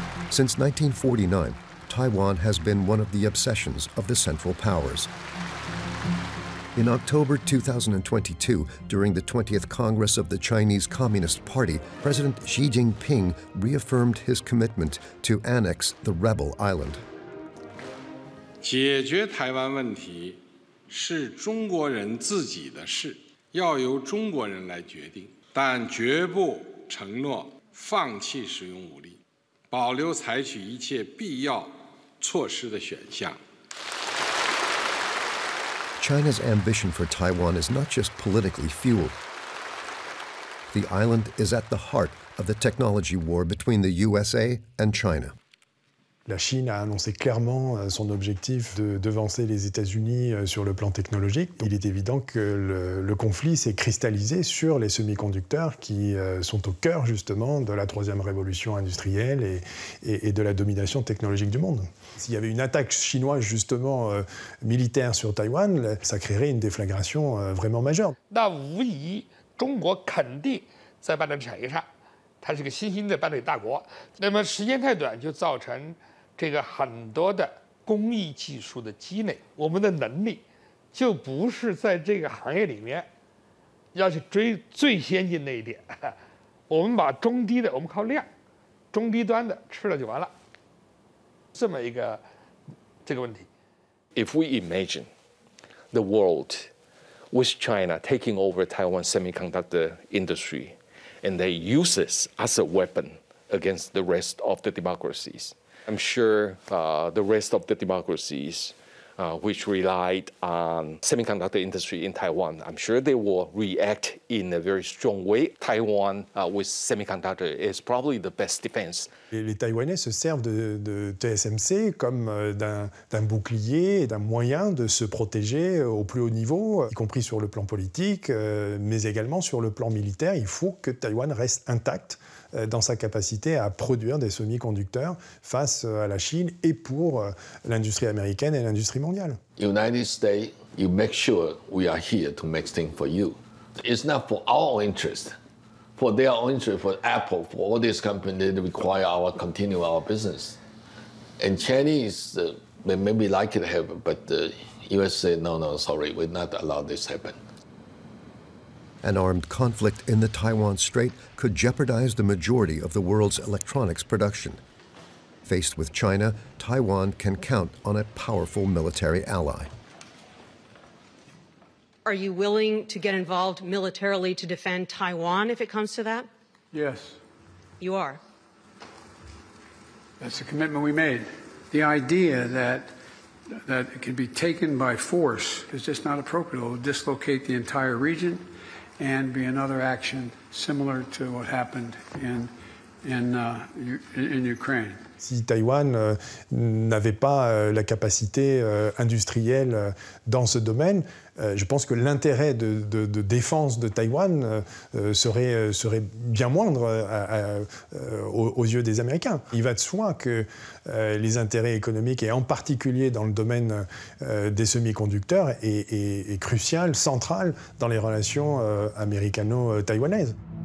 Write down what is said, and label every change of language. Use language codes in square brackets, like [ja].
[en] Since 1949, Taiwan has been one of the obsessions of the Central Powers. In October 2022, during the 20th Congress of the Chinese Communist Party, President Xi Jinping reaffirmed his commitment to annex the rebel island. [zh] 解决台湾问题是中国人自己的事，要由中国人来决定，但绝不承诺放弃使用武力。保留采取一切必要措施的选项。 [en] China's ambition for Taiwan is not just politically fueled. The island is at the heart of the technology war between the USA and China. [fr] La Chine a annoncé clairement son objectif de devancer les États-Unis sur le plan technologique. Il est évident que le conflit s'est cristallisé sur les semi-conducteurs qui sont au cœur justement de la troisième révolution industrielle et de la domination technologique du monde. S'il y avait une attaque chinoise justement militaire sur Taïwan, ça créerait une déflagration vraiment majeure. [zh] 那无疑，中国肯定在半导体产业上。它是个新兴的半导体大国，那么时间太短就造成这个很多的工艺技术的积累，我们的能力就不是在这个行业里面要去追最先进那一点，我们把中低的我们靠量，中低端的吃了就完了，这么一个这个问题。 [en] If we imagine the world with China taking over Taiwan semiconductor industry. And they use this as a weapon against the rest of the democracies. I'm sure the rest of the democracies, which relied on semiconductor industry in Taiwan, I'm sure they will react in a very strong way. Taiwan with semiconductor is probably the best defense. [fr] Les Taïwanais se servent de TSMC comme d'un bouclier et d'un moyen de se protéger au plus haut niveau, y compris sur le plan politique, mais également sur le plan militaire. Il faut que Taïwan reste intact dans sa capacité à produire des semi-conducteurs face à la Chine et pour l'industrie américaine et l'industrie mondiale. [en] United States, you make sure we are here to make things for you. It's not for our interest. For their own interest, for Apple, for all these companies, they require our continue our business. And Chinese, they maybe like it happen, but the U.S. say, no, no, sorry, we're not allowed this happen. An armed conflict in the Taiwan Strait could jeopardize the majority of the world's electronics production. Faced with China, Taiwan can count on a powerful military ally. Are you willing to get involved militarily to defend Taiwan if it comes to that? Yes. You are? That's the commitment we made. The idea that it could be taken by force is just not appropriate. It will dislocate the entire region and be another action similar to what happened in Ukraine. [fr] Si Taïwan n'avait pas la capacité industrielle dans ce domaine, je pense que l'intérêt de défense de Taïwan serait bien moindre aux yeux des Américains. Il va de soi que les intérêts économiques, et en particulier dans le domaine des semi-conducteurs, est crucial, central dans les relations américano-taïwanaises.